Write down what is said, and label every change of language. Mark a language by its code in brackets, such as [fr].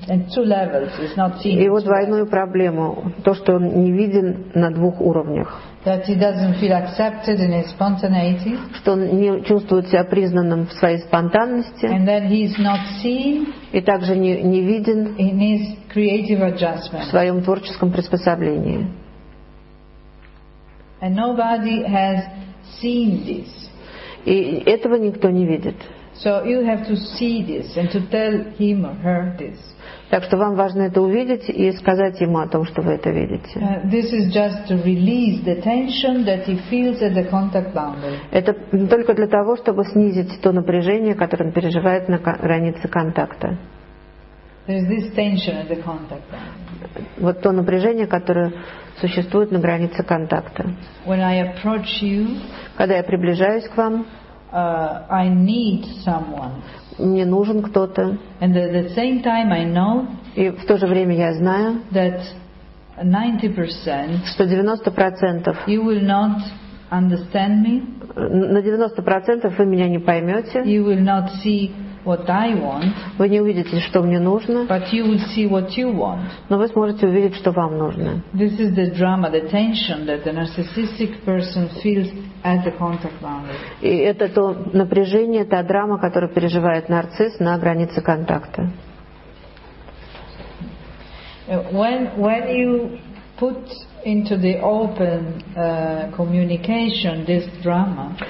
[ru] Его двойную проблему, то, что он не виден на двух уровнях. [en] That he doesn't feel accepted in his spontaneity. [ru] Что он не чувствует себя признанным в своей спонтанности. [en] And that he is not seen. [ru] И также не виден [en] in his creative adjustment. [ru] В своем творческом приспособлении. [en] And nobody has seen this. [ru] И этого никто не видит. [en] So you have to see this and to tell him or her this. [ru] Так что вам важно это увидеть и сказать ему о том, что вы это видите. [en] This is just to release the tension that he feels at the contact boundary. [ru] Это только для того, чтобы снизить то напряжение, которое он переживает на границе контакта. [en] There is this tension at the contact line. [ru] Вот то напряжение, которое существует на границе контакта. [en] When I approach you, [ru] когда я приближаюсь к вам, [en] I need someone. [ru] Мне нужен кто-то. [en] And at the same time I know, [ru] и в то же время я знаю, [en] that 90%, [ru] что 90% [en] you will not understand me. [ru] На 90% вы меня не поймете. [en] You will not see what I want. [ru] Вы не увидите, что мне нужно. [en] But you will see what you want. [ru] Но вы сможете увидеть, что вам нужно. [en] This is the drama, the tension that the narcissistic person feels at the contact boundary. [ru] И это то напряжение, та драма, которую переживает нарцисс на границе контакта. [en] When you put into the open communication this drama.